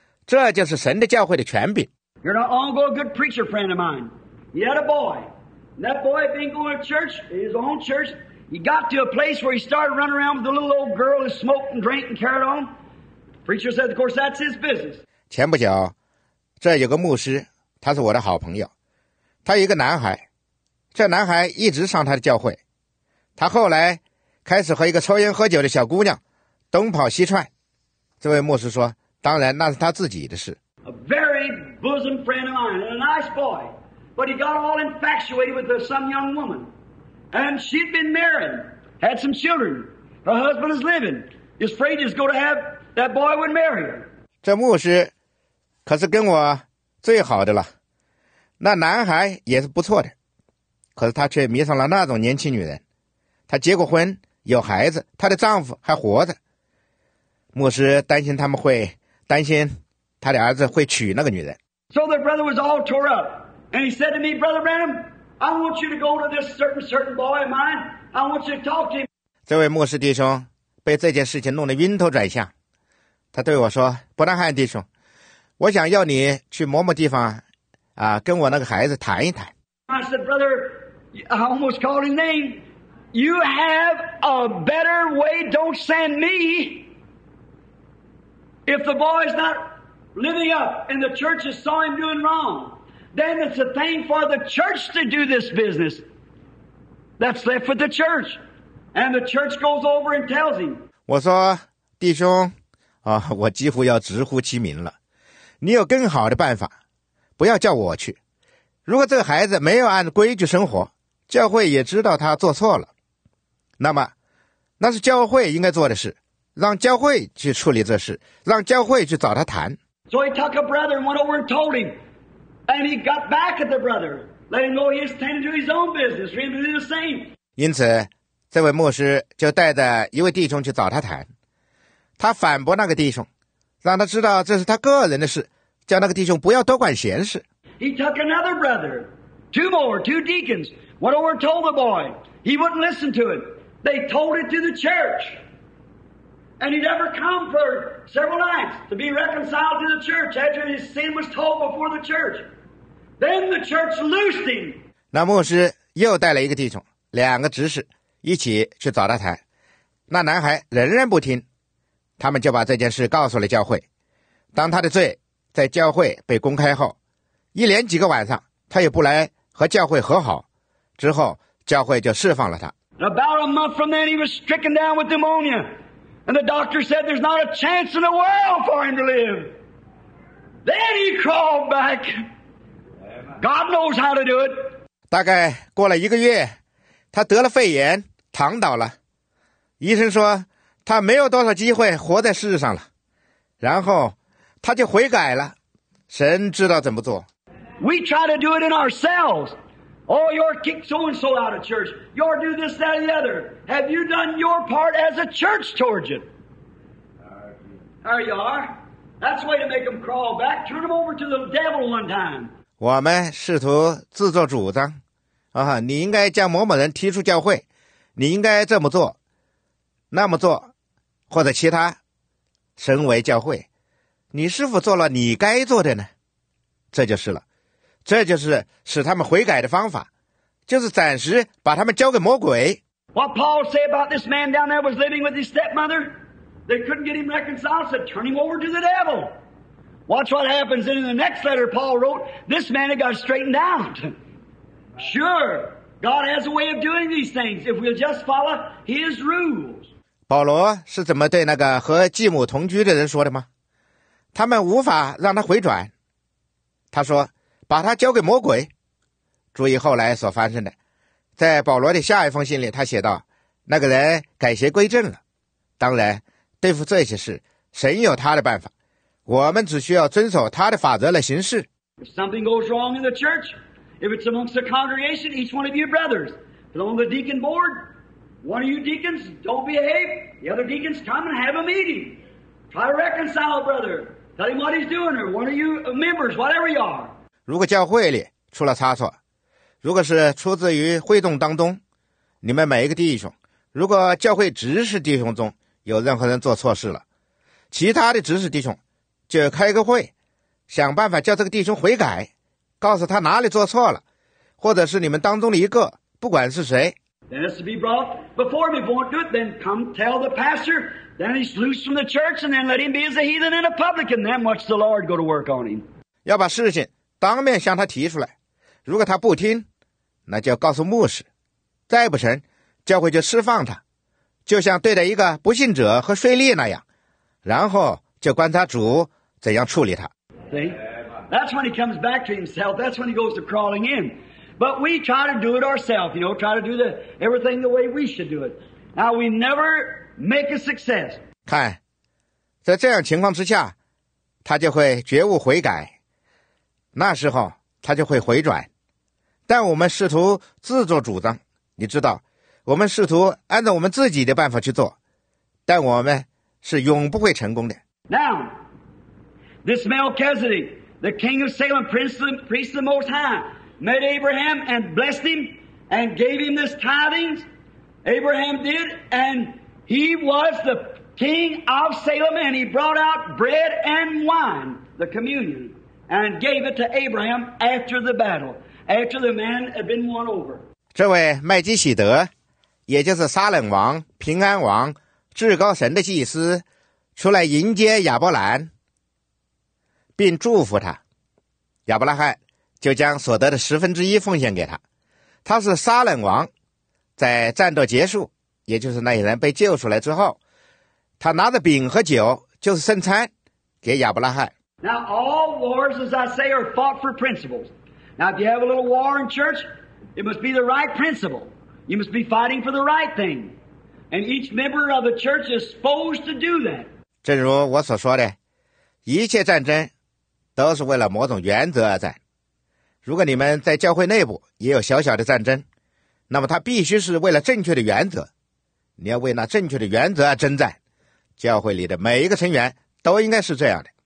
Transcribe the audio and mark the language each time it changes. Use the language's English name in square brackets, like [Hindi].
[Chinese] 这就是神的教会的权柄。 [English] You're an uncle, a good preacher friend of mine. He had a boy. And that boy had been going to church, his own church. He got to a place where he started running around with a little old girl who smoked and drank and carried on. Preacher said, of course, that's his business. [Chinese] 前不久，这有个牧师，他是我的好朋友。他有一个男孩，这男孩一直上他的教会。他后来开始和一个抽烟喝酒的小姑娘东跑西串。这位牧师说，当然那是他自己的事。 [English] A very bosom friend of mine, a nice boy, but he got all infatuated with some young woman. And she'd been married, had some children. Her husband is living. He's afraid he's going to have that boy would marry her. [Chinese] 这牧师可是跟我最好的了。那男孩也是不错的。可是他却迷上了那种年轻女人。他结过婚，有孩子，他的丈夫还活着。牧师担心他们会担心他的儿子会娶那个女人。 [English] So the brother was all tore up, and he said to me, Brother Branham, I want you to go to this certain boy of mine. I want you to talk to him. [Chinese] 这位牧师弟兄被这件事情弄得晕头转向，他对我说：“伯南汉弟兄，我想要你去某某地方，啊，跟我那个孩子谈一谈。” [English] I said, Brother, I almost called his name. You have a better way. Don't send me. If the boy is not living up and the church has saw him doing wrong, then it's a thing for the church to do this business. That's left with the church. And the church goes over and tells him. [Chinese] 我说弟兄啊，我几乎要直呼其名了。你有更好的办法，不要叫我去。如果这个孩子没有按规矩生活，教会也知道他做错了，那么那是教会应该做的事，让教会去处理这事，让教会去找他谈。 [English] So he took a brother and went over and told him. And he got back at the brother. Let him know he's tending to his own business. Really the same. [Chinese] 因此这位牧师就带着一位弟兄去找他谈。他反驳那个弟兄，让他知道这是他个人的事，叫那个弟兄不要多管闲事。 [English] He took another brother. Two deacons. Went over and told the boy. He wouldn't listen to it. They told it to the church. And he'd ever come for several nights to be reconciled to the church after his sin was told before the church. Then the church loosed him. [Chinese] 那牧师又带了一个弟兄，两个执事一起去找他谈。那男孩仍然不听，他们就把这件事告诉了教会。当他的罪在教会被公开后，一连几个晚上他也不来和教会和好，之后教会就释放了他。 [English] About a month from then, he was stricken down with pneumonia. And the doctor said there's not a chance in the world for him to live. Then he crawled back. God knows how to do it. [Chinese] 大概过了一个月，他得了肺炎，躺倒了。医生说他没有多少机会活在世上了。然后他就悔改了。神知道怎么做。 [English] We try to do it in ourselves. Oh, you're kicked so-and-so out of church. You're do this, that, and the other. Have you done your part as a church towards it? There you are. That's the way to make them crawl back. Turn them over to the devil one time. [Chinese] 我们试图自作主张，啊，你应该将某某人踢出教会，你应该这么做，那么做，或者其他，身为教会，你是否做了你该做的呢？这就是了，这就是使他们悔改的方法，就是暂时把他们交给魔鬼。 [English] What Paul said about this man down there was living with his stepmother. They couldn't get him reconciled, so turn him over to the devil. Watch what happens. And in the next letter Paul wrote, this man had got straightened out. Sure, God has a way of doing these things if we'll just follow his rules. [Chinese] 保罗是怎么对那个和继母同居的人说的吗？他们无法让他回转。他说，把他交给魔鬼。注意后来所发生的。在保罗的下一封信里，他写道：“那个人改邪归正了。当然，对付这些事，神有他的办法，我们只需要遵守他的法则来行事。” [English] If something goes wrong in the church, if it's amongst the congregation, each one of you brothers, put on the deacon board. One of you deacons don't behave, the other deacons come and have a meeting. Try to reconcile, brother. Tell him what he's doing, or one of you members, whatever you are. [Chinese] 如果教会里出了差错。如果是出自于会众当中，你们每一个弟兄，如果教会执事弟兄中有任何人做错事了，其他的执事弟兄就开个会，想办法叫这个弟兄悔改，告诉他哪里做错了，或者是你们当中的一个，不管是谁。 [English] Then it's to be brought before me. If you won't do it, then come tell the pastor. Then he's loose from the church, and then let him be as a heathen and a publican. Then watch the Lord go to work on him. [Chinese] 要把事情当面向他提出来，如果他不听，那就告诉牧师，再不成，教会就释放他，就像对待一个不信者和税吏那样，然后就观察主怎样处理他。 [English] See? That's when he comes back to himself. That's when he goes to crawling in. But we try to do it ourselves, you know, try to do the, everything the way we should do it. Now we never make a success. [Chinese] 看，在这样情况之下，他就会觉悟悔改，那时候他就会回转。但我们试图自作主张，你知道，我们试图按照我们自己的办法去做，但我们是永不会成功的。 [English] Now, this Melchizedek, the king of Salem, priest of the Most High, met Abraham and blessed him and gave him this tithings. Abraham did, and he was the king of Salem, and he brought out bread and wine, the communion, and gave it to Abraham after the battle. After the man had been won over. [Chinese] 这位麦基洗德，也就是撒冷王、平安王、至高神的祭司，出来迎接亚伯兰，并祝福他。亚伯拉罕就将所得的十分之一奉献给他。他是撒冷王，在战斗结束，也就是那些人被救出来之后，他拿着饼和酒，就是圣餐，给亚伯拉罕。 [English] Now all wars, as I say, are fought for principles. Now, if you have a little war in church, it must be the right principle. You must be fighting for the right thing. And each member of the church is supposed to do that. [Chinese] 正如我所说的，一切战争都是为了某种原则而战。如果你们在教会内部也有小小的战争，那么它必须是为了正确的原则。你要为那正确的原则而征战。教会里的每一个成员都应该是这样的。